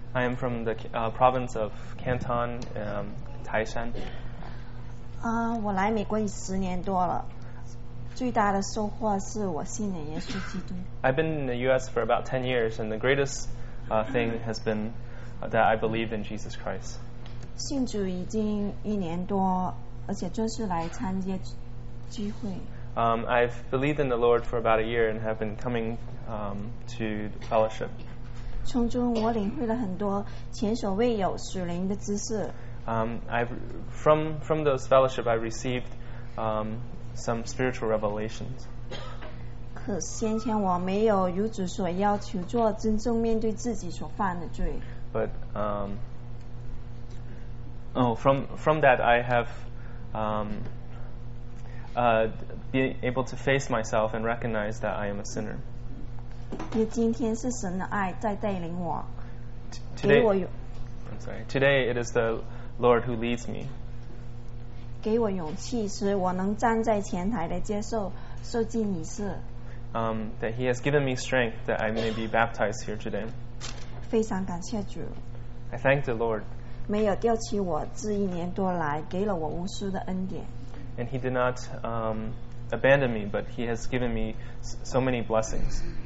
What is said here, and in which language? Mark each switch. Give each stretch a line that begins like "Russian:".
English: I am from the province of Canton, Taishan.
Chinese: 我来美国已十年多了，最大的收获是我信了耶稣基督。
English: I've been in the U.S. for about 10 years, and the greatest thing has been that I believe in Jesus Christ.
Chinese: 信主已经一年多，而且就是来参加聚会。
English: I've believed in the Lord for about a year and have been coming to fellowship.
Chinese: 从中我领会了很多前所未有属灵的知识。
English: From those fellowship, I received some spiritual revelations.
Chinese: 可先前我没有如主所要求做真正面对自己所犯的罪。
English: But from that I have been able to face myself and recognize that I am a sinner.
Chinese: 也今天是神的爱在带领我。
English: Today,
Chinese: 给我勇。
English: I'm sorry. Today it is the Lord who leads me.
Chinese: 给我勇气，使我能站在前台来接受受浸礼式。
English: That He has given me strength that I may be baptized here today.
Chinese: 非常感谢主。
English: I thank the Lord.
Chinese: 没有丢弃我，这一年多来给了我无数的恩典。
English: And He did not abandon me, but He has given me so many blessings.